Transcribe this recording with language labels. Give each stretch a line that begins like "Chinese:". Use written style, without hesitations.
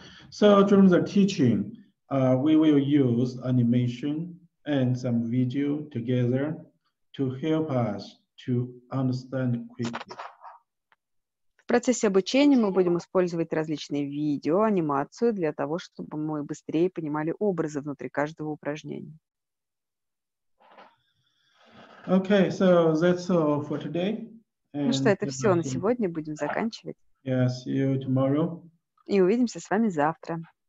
English: So during the teaching, we will use animation and some video together to help us to understand quickly.
Russian: В процессе обучения мы будем использовать различные видео, анимацию для того, чтобы мы быстрее понимали образы внутри каждого упражнения.
English: Okay, so that's all for today.
Russian: And ну что, это все на сегодня, будем заканчивать.
English: Yeah, see you tomorrow.
Russian: И увидимся с вами завтра.